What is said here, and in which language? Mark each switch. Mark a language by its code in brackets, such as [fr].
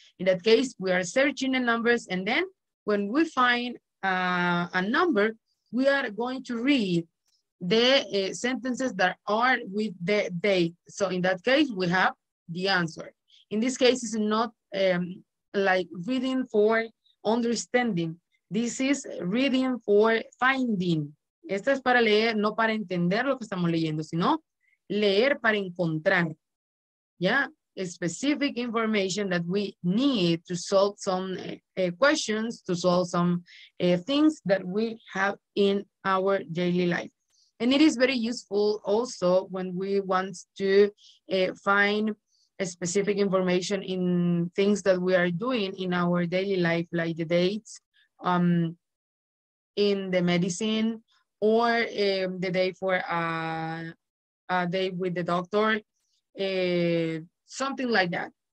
[en] In that case, we are searching the numbers, and then when we find a number, we are going to read the sentences that are with the date. So in that case, we have the answer. In this case, it's not like reading for understanding. This is reading for finding. [es] Esta es para leer, no para entender lo que estamos leyendo, sino leer para encontrar. [en] Yeah, a specific information that we need to solve some questions, to solve some things that we have in our daily life. And it is very useful also when we want to find a specific information in things that we are doing in our daily life, like the dates in the medicine, or the day for a day with the doctor, something like that.